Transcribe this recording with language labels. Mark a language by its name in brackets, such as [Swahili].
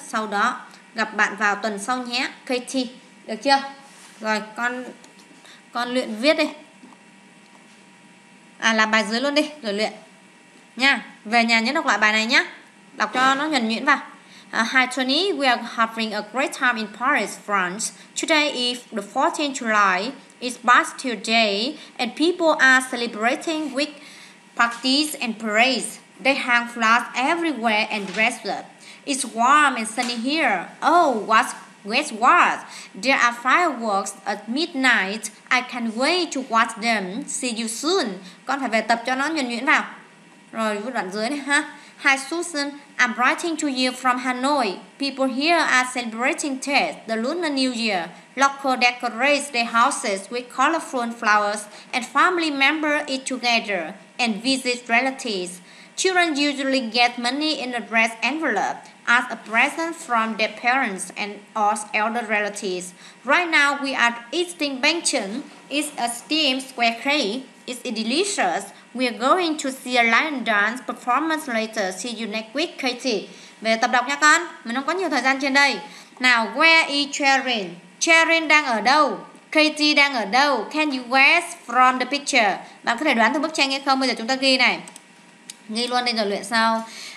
[Vietnamese] Sau đó gặp bạn vào tuần sau nhé, Katie. Được chưa? Rồi con luyện viết đi. À, là bài dưới luôn đi. Rồi luyện nha. Về nhà nhớ đọc lại bài này nhé. Đọc cho nó nhuần nhuyễn vào. [English] Hi Tony, we are having a great time in Paris, France. Today is the 14th July, it's Bastille Day, and people are celebrating with parties and parades. They hang flags everywhere and dress up. It's warm and sunny here. Oh, guess what? There are fireworks at midnight. I can't wait to watch them. See you soon. [Vietnamese] Con phải về tập cho nó nhuần nhuyễn vào. Rồi, vô đoạn dưới này ha. [English] Hi Susan, I'm writing to you from Hanoi. People here are celebrating Tết, the Lunar New Year. Local decorate their houses with colorful flowers and family members eat together and visit relatives. Children usually get money in a red envelope as a present from their parents and or elder relatives. Right now, we are eating bánh chưng. It's a steamed square cake. It's delicious. We're going to see a lion dance performance later. See you next week, [Vietnamese] Katie. Về tập đọc nha con. Mình không có nhiều thời gian trên đây. [English] Now, where is Cherin? [Vietnamese] Cherin đang ở đâu? Katie đang ở đâu? [English] Can you guess from the picture? [Vietnamese] Bạn có thể đoán từ bức tranh hay không? Bây giờ chúng ta ghi này. Ghi luôn đây rồi luyện sau.